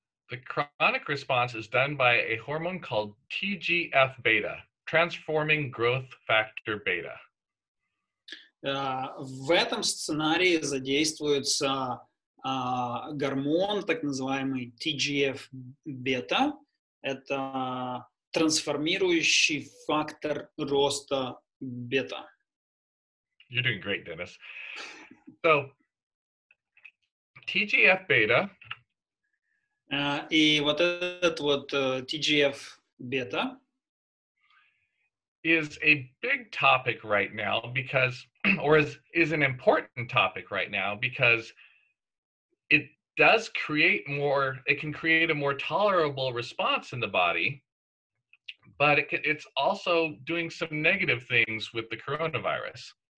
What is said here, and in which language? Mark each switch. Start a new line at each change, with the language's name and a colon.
English: The chronic response is done by a hormone called TGF-beta, transforming growth factor beta.
Russian: В этом сценарии задействуется гормон, так называемый TGF-beta, это трансформирующий фактор роста бета.
English: You're doing great, Dennis. So, TGF-beta.
Russian: И вот этот вот TGF-beta
English: is a big topic right now because, or is an important topic right now because it does create more, it can create a more tolerable response in the body, but it's also doing some negative things with the coronavirus.